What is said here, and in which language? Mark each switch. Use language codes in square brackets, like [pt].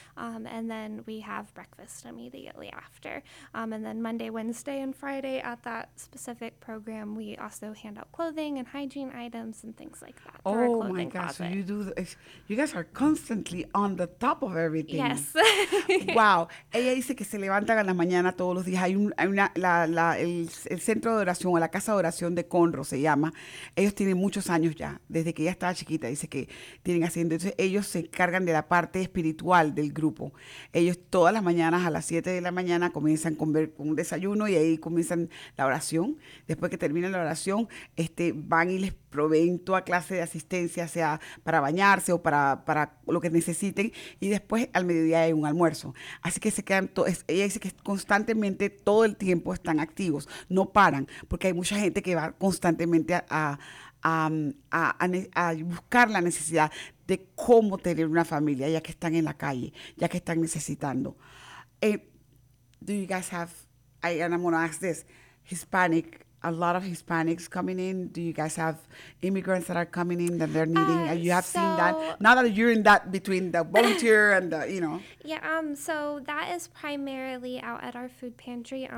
[en] And then we have breakfast immediately after. And then Monday, Wednesday, and Friday at that specific program, we also hand out clothing and hygiene items and things like that. Oh my gosh, so you do you guys are constantly on the top of everything. Yes. Wow. [es] Ella dice que se levantan a la mañana todos los días. Hay el centro de oración o la casa de oración de Conroe se llama. Ellos tienen muchos años ya, desde que ella estaba chiquita, dice que tienen haciendo. Entonces ellos se encargan de la parte espiritual del grupo. Ellos todas las mañanas a las 7 de la mañana comienzan con un desayuno y ahí comienzan la oración. Después que terminan la oración, van y les proveen toda clase de asistencia, sea para bañarse o para lo que necesiten, y después al mediodía hay un almuerzo. Así que se quedan, ella dice que constantemente, todo el tiempo están activos, no paran, porque hay mucha gente que va constantemente a buscar la necesidad de cómo tener una familia, ya que están en la calle, ya que están necesitando. [en] Do you guys have, and I'm going to ask this, Hispanic, a lot of Hispanics coming in? Do you guys have immigrants that are coming in that they're needing? Seen that? Now that you're in that between the volunteer and the, you know. Yeah, so that is primarily out at our food pantry.